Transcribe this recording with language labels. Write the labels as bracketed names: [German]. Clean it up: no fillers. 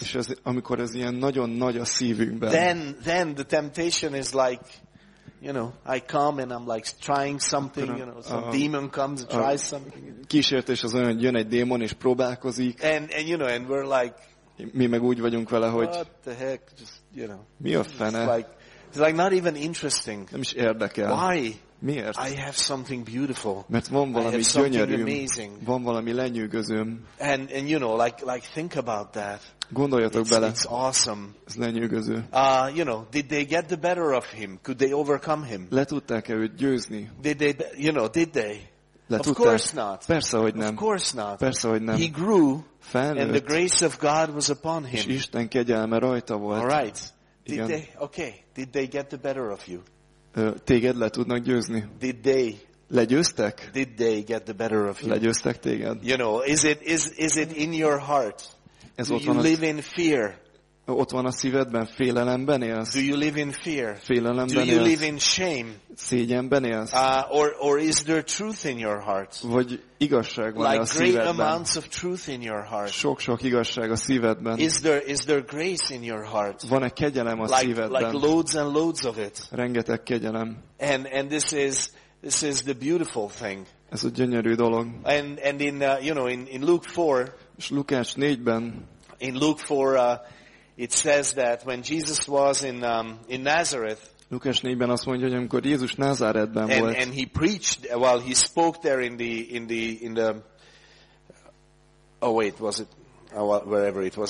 [Hungarian] És ez, amikor ez ilyen nagyon nagy a szívünkben. [English] Then the temptation is like, you know, I come and I'm like trying something, you know, some demon comes and tries something. [Hungarian] Kísértés az olyan, hogy jön egy démon és próbálkozik. [English] And you know, and we're like, [Hungarian] mi meg úgy vagyunk vele, hogy [English] what the heck, just, you know. [Hungarian] Mi a fene? [English] It's like not even interesting. [Hungarian] Nem is érdekel. [English] Why? [Hungarian] Miért? [English] I have something beautiful. [Hungarian] Mert van valami gyönyörűm. Van valami lenyűgözőm. [English] And you know, like think about that. [Hungarian] Gondoljatok [English] it's, [Hungarian] bele. [English] It's awesome. [Hungarian] Ez lenyűgöző. [English] You know, did they get the better of him? Could they overcome him? [Hungarian] Le tudták-e őt győzni? [English] Did they, you know, did they? [Hungarian] Letudták. [English] Of course not. [Hungarian] Persze, hogy nem. [English] Of course not. [Hungarian] Persze, hogy nem. [English] He grew. [Hungarian] Felnőtt. [English] And the grace of God was upon him. [Hungarian] És Isten kegyelme rajta volt. [English] All right. Did they get the better of you? [Hungarian] Téged le tudnak győzni? [English] Did they? [Hungarian] Legyőztek? [English] Did they get the better of you? [Hungarian] Legyőztek téged? [English] You know, is it in your heart? [Hungarian] Ez [English] do you live in fear? [Hungarian] Ott van a szívedben, félelemben élsz? [English] Do you live in fear? [Hungarian] Félelemben élsz? [English] Do you live in shame? [Hungarian] Szégyenben élsz? [English] Or is there truth in your heart? [Hungarian] Vagy igazság van [English] like [Hungarian] a szívedben? [English] Great amounts of truth in your heart. [Hungarian] Sok-sok igazság a szívedben. [English] Is there grace in your heart? [Hungarian] Van-e kegyelem a szívedben? [English] Like loads and loads of it. [Hungarian] Rengeteg kegyelem. [English] And this is the beautiful thing. [Hungarian] Ez a gyönyörű dolog. [English] And in you know in Luke 4. [Hungarian] És Lukács 4-ben. [English] In Luke 4 it says that when Jesus was in Nazareth. [Hungarian] Lukács 4-ben azt mondja, hogy amikor Jézus Názáretben volt. [English] And he preached while he spoke there in the oh wait, was it wherever it was.